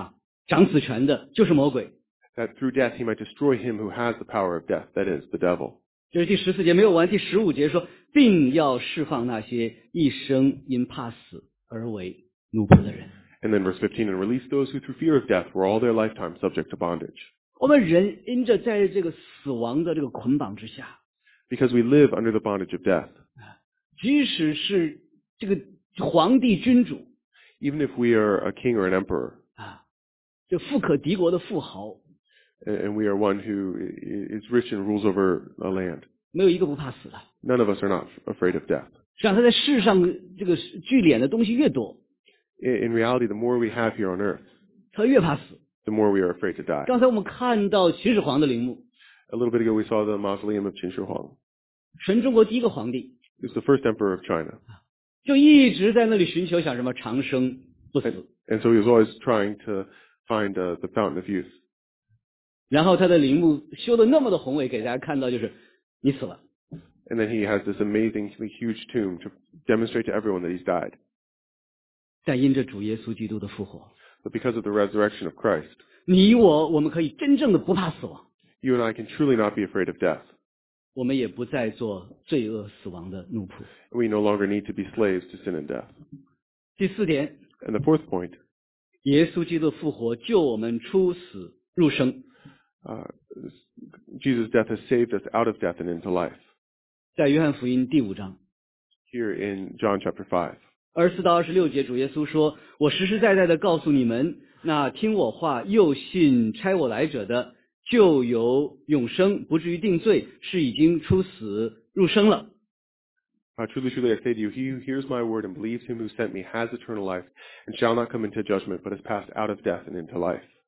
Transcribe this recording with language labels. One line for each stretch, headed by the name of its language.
Chinese: 特要借着死败坏那掌死权的，就是魔鬼。
English: That through death he might destroy him who has the power of death, that is, the devil.
Chinese: 这是第14节，没有完，第15节说, 并要释放那些一生因怕死而为奴仆的人。
English: And then verse 15, and release those who through fear of death were all their lifetime subject to bondage.
Chinese: 我们人因着在这个死亡的这个捆绑之下,
English: Because we live under the bondage of death.
Chinese: 即使是这个皇帝君主,
English: Even if we are a king or an emperor.
Chinese: 就富可敌国的富豪,
English: and we are one who is rich and rules over a land.
Chinese: 没有一个不怕死的,
English: None of us are not afraid of death.
Chinese: 让他在世上这个聚敛的东西越多,
English: In reality, the more we have here on earth,
Chinese: 他越怕死,
English: the more we are afraid to die.
Chinese: 刚才我们看到秦始皇的陵墓,
English: A little bit ago, we saw the mausoleum of 秦始皇.
Chinese: 全中国第一个皇帝,
English: He was the first emperor of China.
Chinese: 就一直在那里寻求想什么, 长生不死,
English: and so he was always trying to find the fountain of youth.
Chinese: 然后他的陵墓修得那么的宏伟给大家看到就是你死了。
English: And then he has this amazingly huge tomb to demonstrate to everyone that he's died.
Chinese: 但因着主耶稣基督的复活,
English: But because of the resurrection of Christ,
Chinese: 你我, 我们可以真正的不怕死亡,
English: you and I can truly not be afraid of death.
Chinese: 我们也不再做罪恶死亡的奴仆,
English: we no longer need to be slaves to sin and death.
Chinese: 第四点,
English: and the fourth point,
Chinese: 耶稣基督复活救我们出死入生,
English: Jesus' death has saved us out of death and into life.
Chinese: 在约翰福音第5章,
English: here in John chapter 5,
Chinese: 24到26节主耶稣说,我实实在在地告诉你们,那听我话又信差我来者的,就有永生,不至于定罪,是已经出死入生了。
English: Truly, truly, I say to you, he who hears my word and believes him who sent me has eternal life, and shall not come into judgment, but has passed out of death and into life.